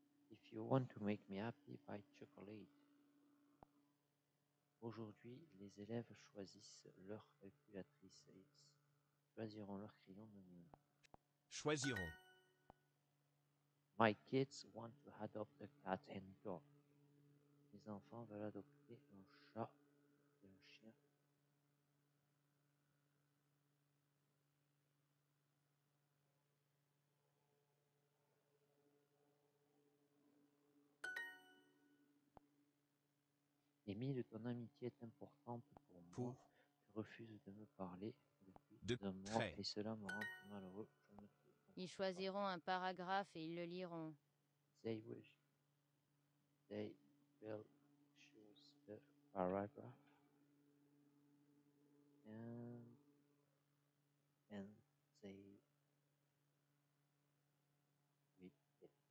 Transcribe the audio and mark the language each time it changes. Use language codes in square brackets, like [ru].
[en] If you want to make me happy, buy chocolate. [fr] Aujourd'hui, les élèves choisissent leur calculatrice. Ils choisiront leur crayon de mine. Choisiront. [en] My kids want to adopt a cat and dog. [fr] Mes enfants veulent adopter un chat et un chien. Émile, ton amitié est importante pour moi. Tu refuses de me parler depuis un mois et cela me rend très malheureux. Ils choisiront un paragraphe et ils le liront. [en] They wish. They will choose the paragraph and say with it.